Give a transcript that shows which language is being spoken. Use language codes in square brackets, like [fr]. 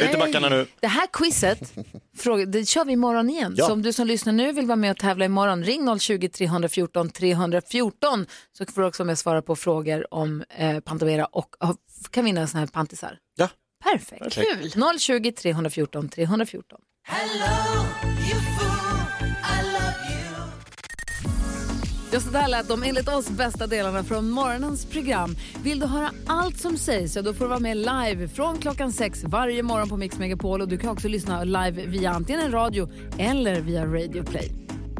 [sv] Lite backarna nu. Det här quizet, det kör vi imorgon igen. Ja. Så om du som lyssnar nu vill vara med och tävla imorgon, ring 020 314 314 så får du också med svara på frågor om Pantamera och kan vinna såna här pantisar. Ja. Perfekt. Kul. 020 314 314. [en] Hello, you fool. I love you. [sv] Just det här lät de enligt oss bästa delarna från morgonens program. Vill du höra allt som sägs, då får du vara med live från klockan 6 varje morgon på Mix Megapol. Och du kan också lyssna live via antingen radio eller via Radio Play.